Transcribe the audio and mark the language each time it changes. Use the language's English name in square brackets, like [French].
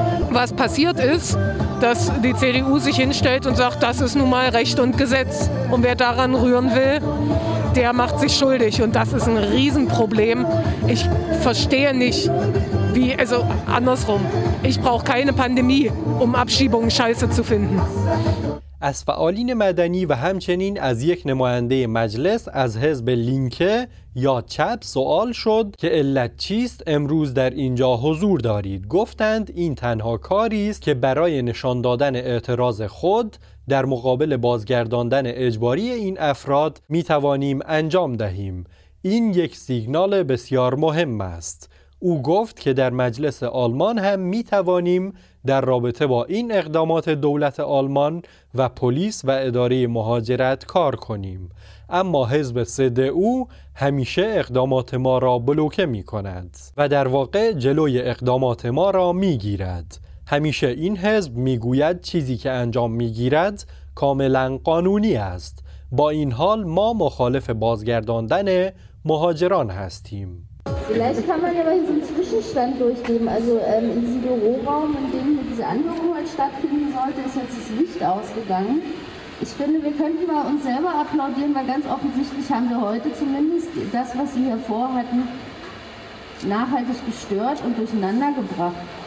[German] Was passiert ist, dass die CDU sich hinstellt und sagt, das ist nun mal Recht und Gesetz. Und wer daran rühren will, der macht sich schuldig. Und das ist ein Riesenproblem. Ich verstehe nicht, wie, also andersrum, ich brauche keine Pandemie, um Abschiebungen scheiße zu finden. [Persian] از فعالین مدنی و همچنین از یک نماینده مجلس از حزب لینکه یا چپ سوال شد که علت چیست امروز در اینجا حضور دارید. گفتند این تنها کاری است که برای نشان دادن اعتراض خود در مقابل بازگرداندن اجباری این افراد می توانیم انجام دهیم. این یک سیگنال بسیار مهم است. او گفت که در مجلس آلمان هم می توانیم در رابطه با این اقدامات دولت آلمان و پلیس و اداره مهاجرت کار کنیم. اما حزب CDU همیشه اقدامات ما را بلوکه می کند و در واقع جلوی اقدامات ما را می گیرد. همیشه این حزب می گوید چیزی که انجام می گیرد کاملا قانونی است. با این حال ما مخالف بازگرداندن مهاجران هستیم. [German] Vielleicht kann man ja mal so einen Zwischenstand durchgeben. Also in diesem Büroraum, in dem diese Anhörung halt stattfinden sollte, ist jetzt das Licht ausgegangen. Ich finde, wir könnten mal uns selber applaudieren, weil ganz offensichtlich haben wir heute zumindest das, was wir hier vorhatten, nachhaltig gestört und durcheinandergebracht.